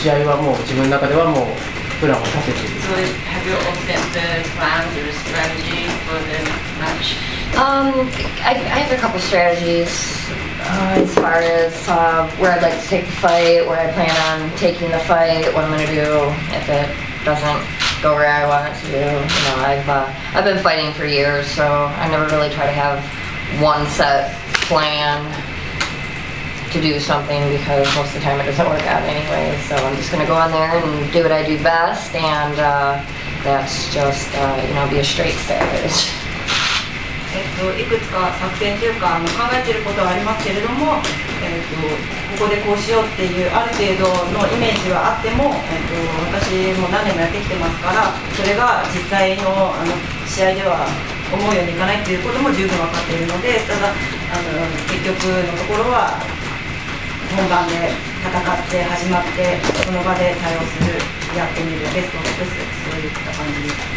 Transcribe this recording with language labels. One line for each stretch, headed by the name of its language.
Japanese: 試合はもう自分の中ではもうプランを立てている。
English: So have you opened the plans or strategy for the match? I have a couple strategies as far as where I'd like to take the fight, where I plan on taking the fight, what I'm going to do if it doesn't go where I want it to do. You know, I've been fighting for years, so I never really try to have one set plan to do something, because most of the time it doesn't work out anyway. So I'm just going to go on there and do what I do best, and that's just, you know, be a straight savage.
Japanese: いくつか作戦というか考えていることはありますけれども、ここでこうしようっていうある程度のイメージはあっても、私も何年もやってきてますから、それが実際 の試合では思うようにいかないということも十分分かっているので、ただ結局のところは本番で戦って始まってその場で対応する、やってみる、ベストを尽くす、そういった感じです。